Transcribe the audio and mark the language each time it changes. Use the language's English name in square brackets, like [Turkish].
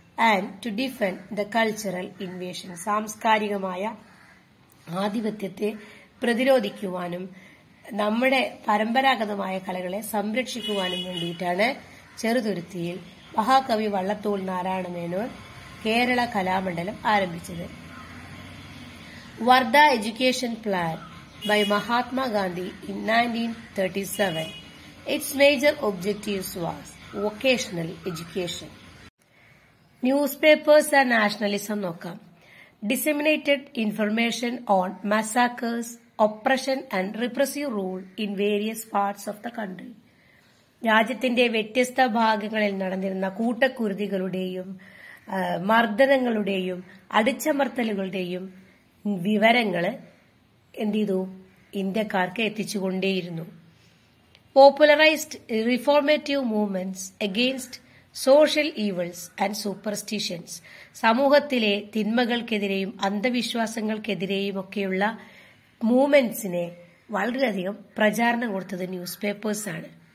[English] and to defend the cultural invasion, [Malayalam] സാംസ്കാരികമായ ആധിപത്യത്തെ പ്രതിരോധിക്കുവാനും നമ്മുടെ പരമ്പരാഗതമായ കലകളെ സംരക്ഷിക്കുവാനും വേണ്ടിയിട്ടാണ് ചെറുതുരുത്തിയിൽ മഹാകവി വള്ളത്തോൾ നാരായണ മേനോൻ കേരള കലാമണ്ഡലം ആരംഭിച്ചത്. [English] Wardha education plan by Mahatma Gandhi in 1937. Its major objectives was vocational education. Newspapers and nationalism nokam. Disseminated information on massacres, oppression and repressive rule in various parts of the country. [Malayalam] രാജ്യത്തിന്റെ വ്യത്യസ്ത ഭാഗങ്ങളിൽ നടന്നിരുന്ന കൂട്ടക്കുരുതികളുടെയും മർദ്ദനങ്ങളുടെയും അടിച്ചമർത്തലുകളുടെയും വിവരങ്ങൾ എന്ത് ചെയ്തു? ഇന്ത്യക്കാർക്ക് എത്തിച്ചുകൊണ്ടേയിരുന്നു. [English] popularised reformative movements against social evils and superstitions, [Malayalam] സമൂഹത്തിലെ തിന്മകൾക്കെതിരെയും അന്ധവിശ്വാസങ്ങൾക്കെതിരെയും ഒക്കെയുള്ള മൂവ്മെന്റ്സിനെ വളരെയധികം പ്രചാരണം കൊടുത്തത് ന്യൂസ് പേപ്പേഴ്സാണ്.